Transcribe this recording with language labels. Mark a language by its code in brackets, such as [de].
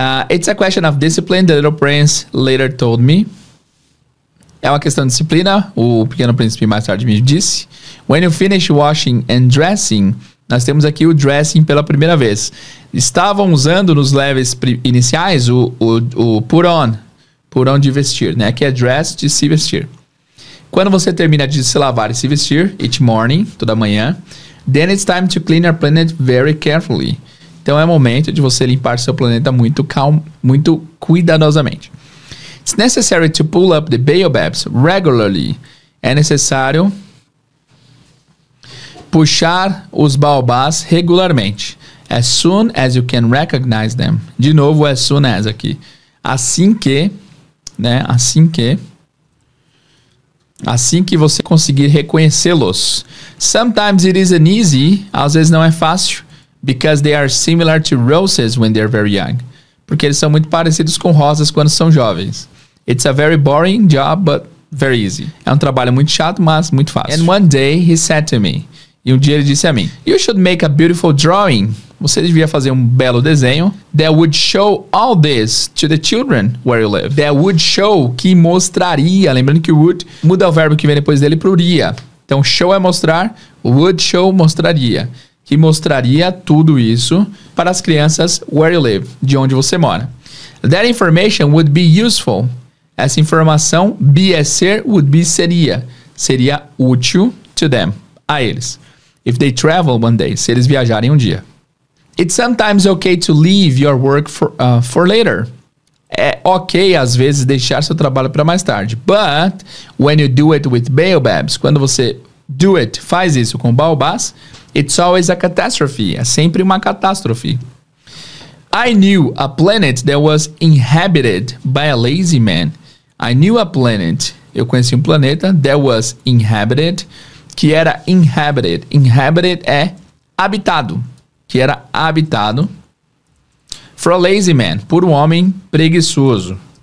[en] It's a question of discipline, the little prince later told me. [pt] É uma questão de disciplina, o pequeno príncipe mais tarde me disse. [en] When you finish washing and dressing... [pt] Nós temos aqui o dressing pela primeira vez. Estavam usando nos levels iniciais o put on. Put on de vestir, né? Que é dress de se vestir. Quando você termina de se lavar e se vestir, [en] each morning, [pt] toda manhã, [en] then it's time to clean your planet very carefully. [pt] Então é momento de você limpar seu planeta muito calmo, muito cuidadosamente. [en] It's necessary to pull up the baobabs regularly. [pt] É necessário... puxar os baobás regularmente. [en] As soon as you can recognize them. [pt] De novo, as soon as aqui. Assim que, né? Assim que. Assim que você conseguir reconhecê-los. [en] Sometimes it isn't easy. [pt] Às vezes não é fácil. [en] Because they are similar to roses when they're very young. [pt] Porque eles são muito parecidos com rosas quando são jovens. [en] It's a very boring job, but very easy. [pt] É um trabalho muito chato, mas muito fácil. [en] And one day he said to me. [pt] E um dia ele disse a mim, [en] you should make a beautiful drawing. [pt] Você devia fazer um belo desenho. [en] That would show all this to the children where you live. That would show, [pt] que mostraria. Lembrando que would muda o verbo que vem depois dele para uria. Então show é mostrar. Would show mostraria. Que mostraria tudo isso para as crianças [en] where you live. [pt] De onde você mora. [en] That information would be useful. [pt] Essa informação, be é ser, would be seria. Seria útil [en] to them. [pt] A eles. [en] If they travel one day, [pt] se eles viajarem um dia. [en] It's sometimes okay to leave your work for later. [pt] É ok, às vezes, deixar seu trabalho para mais tarde. [en] But when you do it with baobabs, [pt] quando você [en] do it, [pt] faz isso com baobabs, [en] it's always a catastrophe. [pt] É sempre uma catástrofe. [en] I knew a planet that was inhabited by a lazy man. I knew a planet [pt] eu conheci um planeta, [en] that was inhabited, [pt] que era inhabited. Inhabited é habitado, que era habitado. [en] For a lazy man, [pt] por um homem preguiçoso.